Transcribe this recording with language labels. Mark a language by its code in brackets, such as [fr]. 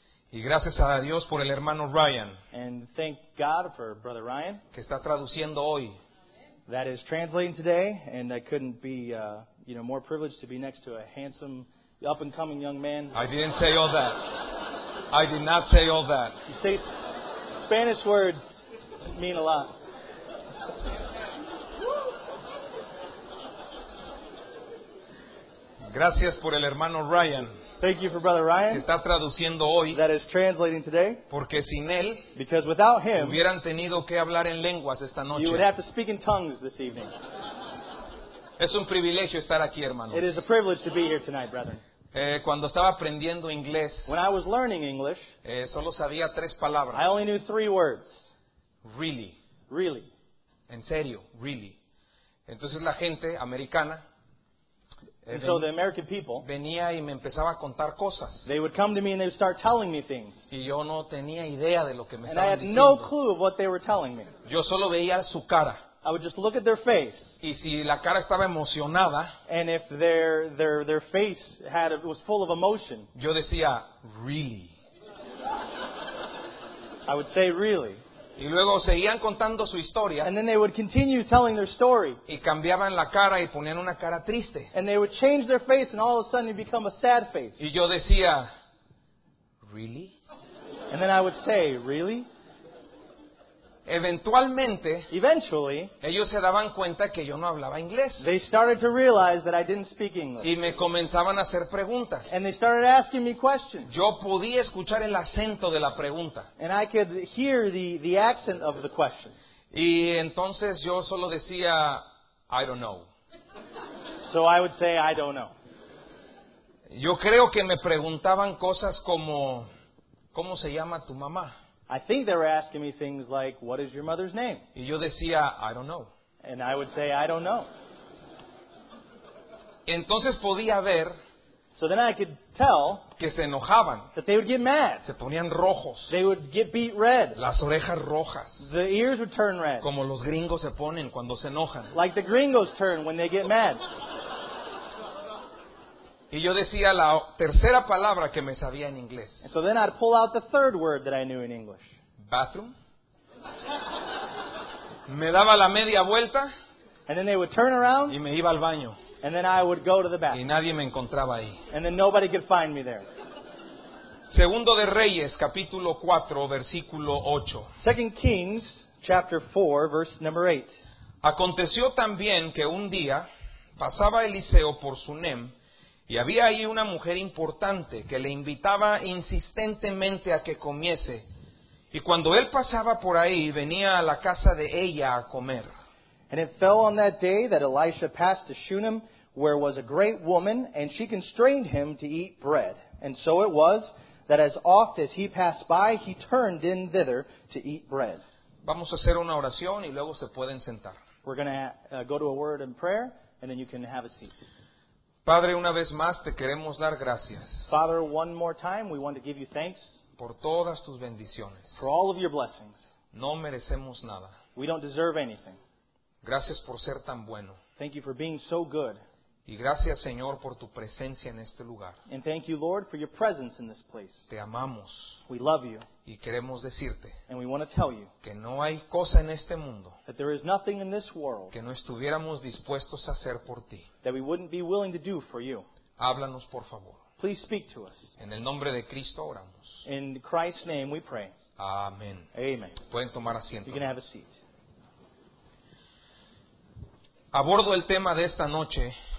[es] Y gracias a Dios por el hermano Ryan. [en] And thank God for Brother Ryan. [es] Que está traduciendo hoy. [en] That is translating today, and I couldn't be more privileged to be next to a handsome, up-and-coming young man. I didn't say all that. I did not say all that. You say Spanish words mean a lot. [es] Gracias por el hermano Ryan. [en] Thank you for Brother Ryan. [es] Que está traduciendo hoy. [en] That is translating today. [es] Porque sin él, [en] because without him, [es] hubieran tenido que hablar en lenguas esta noche. [en] You would have to speak in tongues this evening. [es] Es un privilegio estar aquí, hermanos. [en] It is a privilege to be here tonight, brethren. [es] Cuando estaba aprendiendo inglés, [en] when I was learning English, [es] solo sabía tres palabras. [en] I only knew three words. Really. Really. [es] En serio, [en] really. [es] Entonces la gente americana, [en] so the American people, [es] venía y me empezaba a contar cosas. [en] They would come to me and they would start telling me things. [es] Y yo no tenía idea de lo que me [en] and [es] estaban diciendo. [en] And I had no clue of what they were telling me. [es] Yo solo veía su cara. [en] I would just look at their face. [es] Y si la cara estaba emocionada, [en] and if their face had was full of emotion, [es] yo decía, [en] really? I would say, really? [es] Y luego seguían contando su historia. [en] And then they would continue telling their story. [es] Y cambiaban la cara y ponían una cara triste. [en] And they would change their face and all of a sudden it'd become a sad face. [es] Y yo decía, [en] really? And then I would say, really? [es] Eventualmente, [en] eventually, [es] ellos se daban cuenta que yo no hablaba inglés. [en] They started to realize that I didn't speak English. [es] Y me comenzaban a hacer preguntas. [en] And they started asking me questions. [es] Yo podía escuchar el acento de la pregunta. [en] And I could hear the accent of the question. [es] Y entonces yo solo decía, [en] I don't know. So I would say, I don't know. [es] Yo creo que me preguntaban cosas como, ¿cómo se llama tu mamá? [en] I think they were asking me things like, what is your mother's name? [es] Y yo decía, [en] I don't know. And I would say, I don't know. [es] Entonces podía ver, [en] so then I could tell, [es] que se enojaban, [en] that they would get mad. [es] Se ponían rojos. [en] They would get beat red. [es] Las orejas rojas. [en] The ears would turn red. [es] Como los gringos se ponen cuando se enojan. [en] Like the gringos turn when they get mad. [es] Y yo decía la tercera palabra que me sabía en inglés. [en] And so then I'd pull out the third word that I knew in English. Bathroom. [es] Me daba la media vuelta. [en] And then they would turn around. [es] Y me iba al baño. [en] And then I would go to the bathroom. [es] Y nadie me encontraba ahí. [en] And then nobody could find me there. [es] Segundo de Reyes, capítulo 4, versículo 8. [en] Second Kings, chapter 4, verse number 8. [es] Aconteció también que un día pasaba Eliseo por Sunem, y había ahí una mujer importante que le invitaba insistentemente a que comiese. Y cuando él pasaba por ahí, venía a la casa de ella a comer. [en] And it fell on that day that Elisha passed to Shunem, where was a great woman, and she constrained him to eat bread. And so it was that as oft as he passed by, he turned in thither to eat bread. [es] Vamos a hacer una oración y luego se pueden sentar. [en] We're going to go to a word in prayer, and then you can have a seat. [es] Padre, una vez más te queremos dar gracias. [en] Father, one more time we want to give you thanks. [es] Por todas tus bendiciones. [en] For all of your blessings. [es] No merecemos nada. [en] We don't deserve anything. [es] Gracias por ser tan bueno. [en] Thank you for being so good. [es] Y gracias, Señor, por tu presencia en este lugar. [en] And thank you, Lord, for your presence in this place. [es] Te amamos. [en] We love you. [es] Y queremos decirte. [en] And we want to tell you. [es] Que no hay cosa en este mundo. [en] That there is nothing in this world. [es] Que no estuviéramos dispuestos a hacer por ti. [en] That we wouldn't be willing to do for you. [es] Háblanos, por favor. [en] Please speak to us. [es] En el nombre de Cristo oramos. [en] In Christ's name we pray. [es] Amén. [en] Amen. [es] Pueden tomar asiento. [en] You can have a seat. [es] Abordo el tema de esta noche.